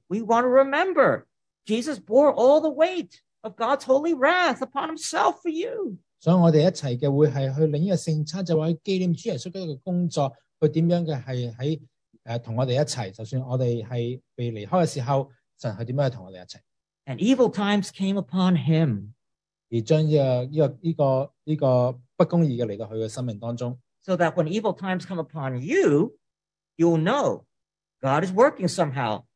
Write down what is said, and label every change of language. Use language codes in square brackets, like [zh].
[en] We want to remember Jesus bore all the weight of God's holy wrath upon himself for you. [zh] 所以我们一起的会是去领这个圣餐，就是去纪念主耶稣基督的工作，他怎样的是在同我们一起，就算我们是被离开的时候，神是怎样的同我们一起。 [en] And evil times came upon him. [zh] 而将这个不公义的来到他的生命当中。 [en] So that when evil times come upon you, you'll know God is working somehow.